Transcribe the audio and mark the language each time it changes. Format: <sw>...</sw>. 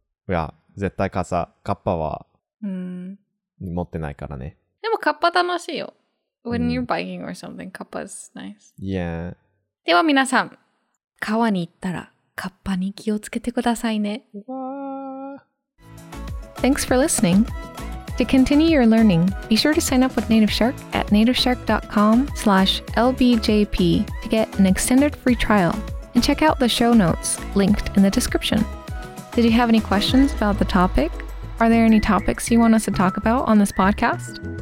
<ja>いや、絶対傘。カッパは持ってないからね。でもカッパ楽しいよ。</ja> <en>When you're biking or something, カッパ is nice. Yeah.</en> <ja>では皆さん、川に行ったらカッパに気をつけてくださいね。わ</ja> <en>ー。 Thanks for listening. To continue your learning, be sure to sign up with Native Shark at nativeshark.com/lbjp to get an extended free trial and check out the show notes linked in the description. Did you have any questions about the topic? Are there any topics you want us to talk about on this podcast?</en>